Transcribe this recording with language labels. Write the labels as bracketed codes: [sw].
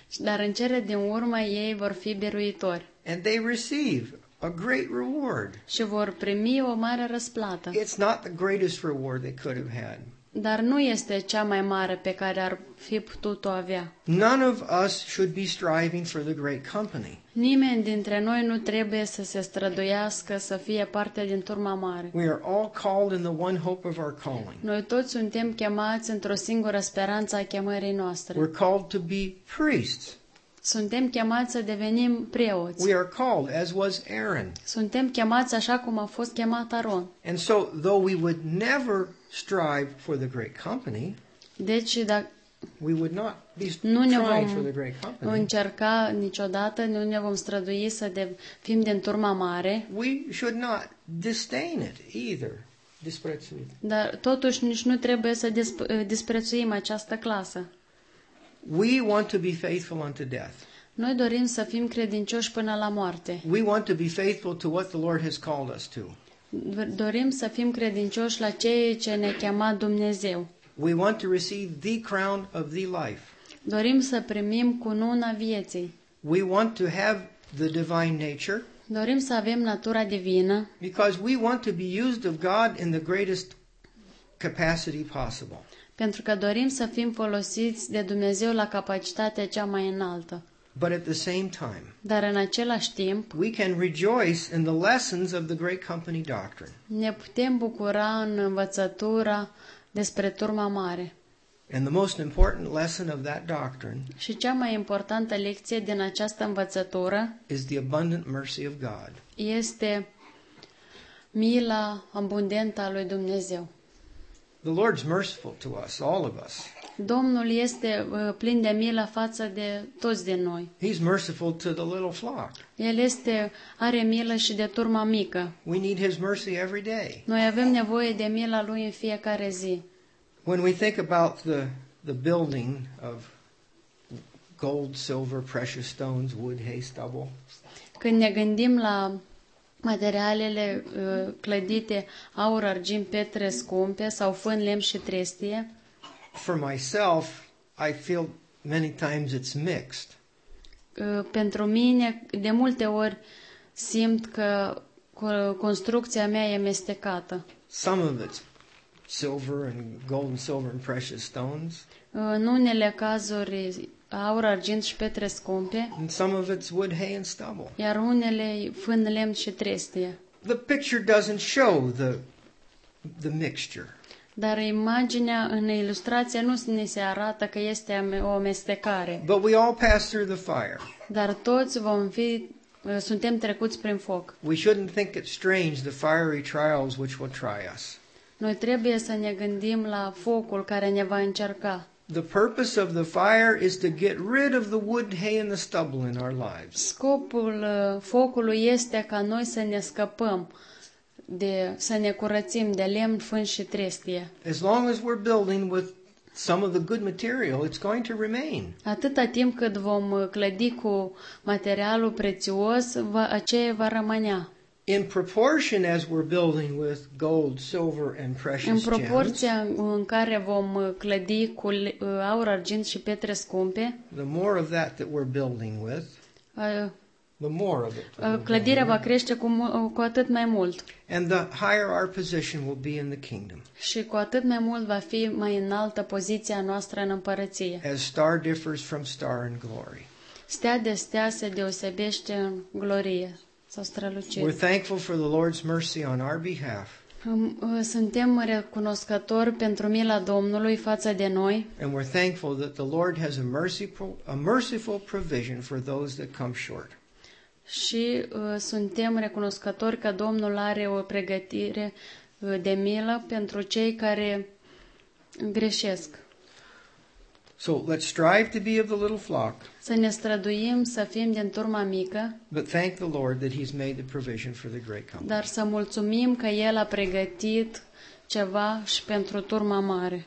[ro] Dar în cele din urmă ei vor fi biruitori. [en] And they receive a great reward. [ro] Și vor primi o mare răsplată. [en] It's not the greatest reward they could have had. [ro] Dar nu este cea mai mare pe care ar fi putut o avea. [en] None of us should be striving for the great company. [ro] Nimeni dintre noi nu trebuie să se străduiască să fie parte din turma mare. [en] We are all called in the one hope of our calling. [ro] Noi toți suntem chemați într-o singură speranță a chemării noastre. [en] We're called to be priests. [ro] Suntem chemați să devenim preoți. [en] We are called, as was Aaron. [ro] Suntem chemați așa cum a fost chemat Aron. [en] And so, though we would never strive for the great company, [ro] deci, [en] we would not be striving for the great company. [ro] Nu ne vom încerca niciodată, nu ne vom strădui să fim din turma mare. [en] We should not disdain it either. [ro] Disprețuim. Dar totuși nici nu trebuie să disprețuim această clasă. [en] We want to be faithful unto death. [ro] Noi dorim să fim credincioși până la moarte. [en] We want to be faithful to what the Lord has called us to. [ro] Dorim să fim credincioși la ceea ce ne-a chemat Dumnezeu. [en] We want to receive the crown of the life. [ro] Dorim să primim cununa vieții. [en] We want to have the divine nature. [ro] Dorim să avem natura divină. [en] Because we want to be used of God in the greatest capacity possible. [ro] Pentru că dorim să fim folosiți de Dumnezeu la capacitatea cea mai înaltă. [en] But at the same time, [ro] dar în același timp, [en] we can rejoice in the lessons of the great company doctrine. [ro] Ne putem bucura în învățătura despre turma mare. [en] And the most important lesson of that doctrine, [ro] și cea mai importantă lecție din această învățătură, [en] is the abundant mercy of God. [ro] Este mila abundentă a lui Dumnezeu. [en] The Lord's merciful to us, all of us. [ro] Domnul este plin de milă față de toți de noi. [en] He's merciful to the little flock. [ro] El este are milă și de turma mică. [en] We need his mercy every day. [ro] Noi avem nevoie de mila lui în fiecare zi. [en] When we think about the building of gold, silver, precious stones, wood, hay, stubble. [ro] Când ne gândim la materialele clădite, aur, argint, pietre scumpe sau fân, lemn și trestie. [en] For myself, I feel many times it's mixed. [ro] Pentru mine, de multe ori simt că construcția mea e amestecată. [en] Some of it's silver and gold and silver and precious stones. [ro] În unele cazuri aur, argint și pietre scumpe. [en] And some of it's wood, hay and stubble. [ro] Iar unele fân, lemn și trestie. [en] The picture doesn't show the mixture. [ro] Dar imaginea în ilustrație nu ne se arată că este o amestecare. [en] But we all pass through the fire. [ro] Dar toți suntem trecuți prin foc. [en] We shouldn't think it strange the fiery trials which will try us. [ro] Noi trebuie să ne gândim la focul care ne va încerca. [en] The purpose of the fire is to get rid of the wood, hay and the stubble in our lives. [ro] Scopul focului este ca noi să ne scăpăm să ne curățim de lemn, fân și trestie. [en] As long as we're building with some of the good material, it's going to remain. [ro] Atâta timp cât vom clădi cu materialul prețios, aceea va rămânea. [en] In proportion as we're building with gold, silver and precious gems. [ro] În proporția în care vom clădi cu aur, argint și pietre scumpe. [en] The more of that we're building with, the more of it. [ro] Clădirea va crește cu atât mai mult. [en] And the higher our position will be in the kingdom. [ro] Și cu atât mai mult va fi mai înaltă poziția noastră în împărăție. [en] As star differs from star in glory. [ro] Stea de stea se deosebește în glorie. [en] We're thankful for the Lord's mercy on our behalf. [ro] Suntem recunoscători pentru mila Domnului față de noi. [en] And we're thankful that the Lord has a merciful provision for those that come short. [ro] și suntem recunoscători că Domnul are o pregătire de milă pentru cei care greșesc. [en] So let's strive to be of the little flock. [ro] Să ne străduim să fim din turma mică. [en] But thank the Lord that He's made the provision for the great company. [ro] Dar să mulțumim că El a pregătit ceva și pentru turma mare.